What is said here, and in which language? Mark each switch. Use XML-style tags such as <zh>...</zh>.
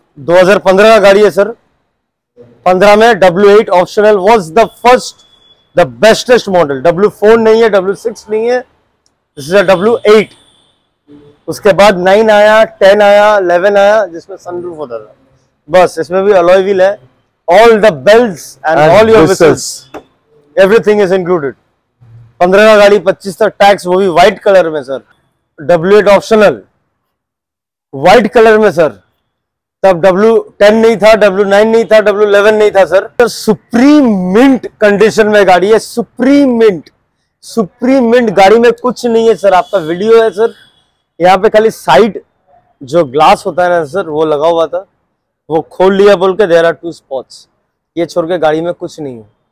<hi>2015 का गाड़ी है सर, 15 में W8</hi> <en>Optional was the first the bestest model.</en> <hi>W4 नहीं है, W6 नहीं है,</hi> <en>this is a</en> <hi>W8। उसके बाद 9 आया, 10 आया, 11 आया, जिसमें सनरूफ होता था, बस इसमें भी अलॉय व्हील है।</hi> <en>All the bells and all your whistles, everything is included.</en> <hi>15 का गाड़ी, 25 तक tax, वो भी white color में sir. W8 optional, white color में सर। तब W10 नहीं था, W9 नहीं था, W11 नहीं था सर। Supreme mint condition में गाड़ी है, supreme mint गाड़ी में कुछ नहीं है सर। आपका video है सर, यहाँ पे खाली side जो glass होता है ना सर, वो लगा हुआ था, वो खोल लिया बोल के</hi> <en>there are two spots,</en> <hi>ये छोड़ के गाड़ी में कुछ नहीं है।</hi>